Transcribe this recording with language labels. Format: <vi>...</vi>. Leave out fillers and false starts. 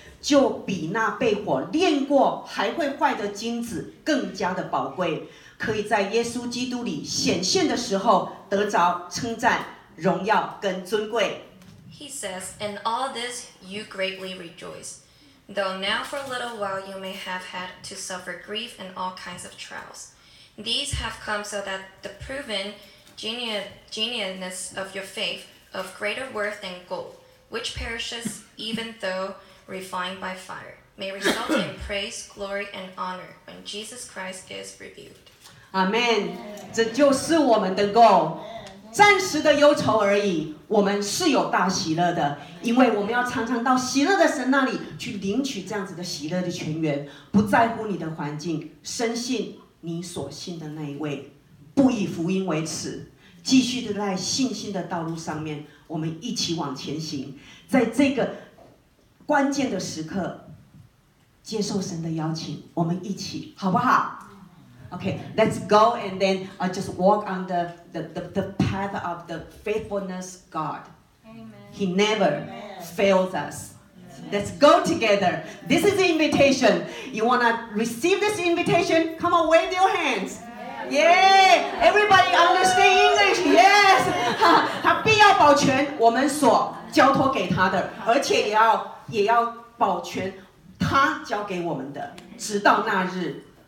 <zh>就比那被火炼过还会坏的金子更加的宝贵，可以在耶稣基督里显现的时候得着称赞、荣耀跟尊贵。</zh> <en>He says, in all this you greatly rejoice, though now for a little while you may have had to suffer grief and all kinds of trials. These have come so that the proven genuineness of your faith, of greater worth than gold, which perishes even though refined by fire, may result in praise, glory, and honor when Jesus Christ is revealed.</en> <zh>Amen， 这就是我们的 goal。暂时的忧愁而已，我们是有大喜乐的，因为我们要常常到喜乐的神那里去领取这样子的喜乐的泉源。不在乎你的环境，深信你所信的那一位，不以福音为耻，继续的在信心的道路上面，我们一起往前行。在这个关键的时刻，接受神的邀请，我们一起，好不好？</zh> <en>Okay, let's go and then just walk on the path of the faithfulness God. Amen. He never Amen. fails us. Amen. Let's go together. This is the invitation. You want to receive this invitation? Come on, wave your hands. Yeah. Everybody understand English? Yes.</en> <zh>他必要保全我们所交托给他的，而且也要保全他交给我们的，直到那日。</zh>